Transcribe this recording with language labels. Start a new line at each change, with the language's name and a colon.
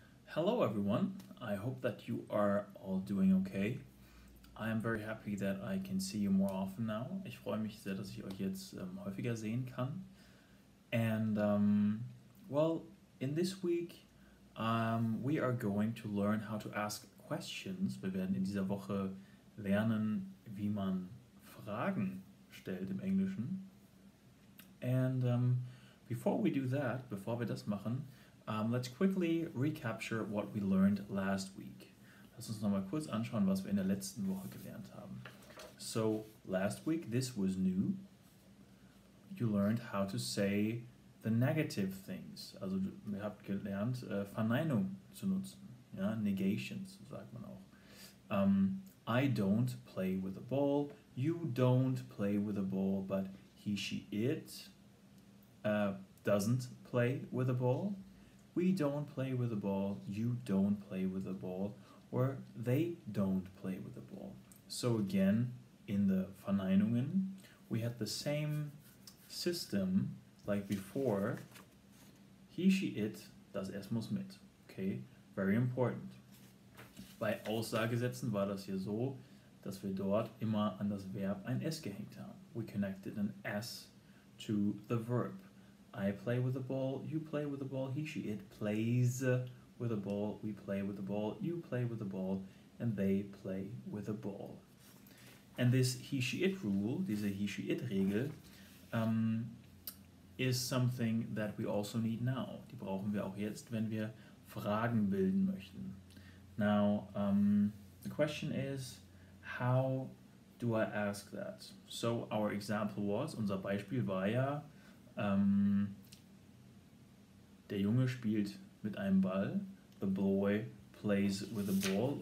English: Hello everyone, I hope that you are all doing okay. I am very happy that I can see you more often now.
German: Ich freue mich sehr, dass ich euch jetzt häufiger sehen kann.
English: And, in this week, we are going to learn how to ask questions.
German: Wir werden in dieser Woche lernen, wie man Fragen stellt im Englischen.
English: And before we do that,
German: bevor wir das machen,
English: let's quickly recapture what we learned last week.
German: Lass uns nochmal kurz anschauen, was wir in der letzten Woche gelernt haben.
English: So, last week, this was new. You learned how to say the negative things.
German: Also, ihr habt gelernt, Verneinung zu nutzen. Ja?
English: Negations,
German: sagt man auch.
English: I don't play with a ball. You don't play with a ball, but he, she, it doesn't play with a ball. We don't play with a ball, you don't play with a ball, or they don't play with a ball. So again, in the Verneinungen, we had the same system like before. He, she, it,
German: das, es muss mit.
English: Okay, very important.
German: Bei Aussagesätzen war das hier so, dass wir dort immer an das Verb ein S gehängt haben.
English: We connected an S to the verb. I play with a ball, you play with a ball, he, she, it plays with a ball, we play with a ball, you play with a ball, and they play with a ball. And this he, she, it rule,
German: diese he, she, it Regel,
English: is something that we also need now.
German: Die brauchen wir auch jetzt, wenn wir Fragen bilden möchten.
English: Now, the question is, how do I ask that? So our example was,
German: unser Beispiel war ja, der Junge spielt mit einem Ball.
English: The boy plays with a ball.